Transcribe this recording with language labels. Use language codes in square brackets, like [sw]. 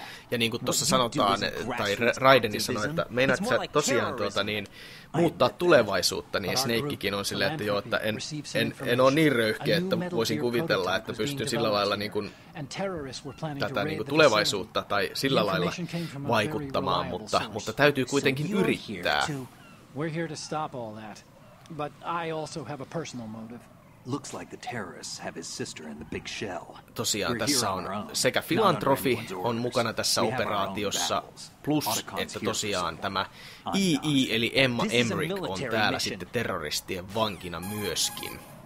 [fi] Ja niin kuin tuossa sanotaan, tai Raideni sanoi, että meinaat sä tosiaan tuota, niin, muuttaa tulevaisuutta, niin Snakekin on silleen, että joo, että en ole niin röyhkeä, että voisin kuvitella, että pystyn sillä lailla niin kuin, tätä niin kuin, tulevaisuutta tai sillä lailla vaikuttamaan, mutta täytyy kuitenkin yrittää. [en] We're here to stop all that, but I also have a personal motive. Looks like the terrorists have his sister in the big shell. [fi] Tosiaan tässä on sekä filantrofi on mukana tässä operaatiossa, plus että tosiaan tämä EE eli Emma Emmerich on täällä sitten terroristien vankina myöskin.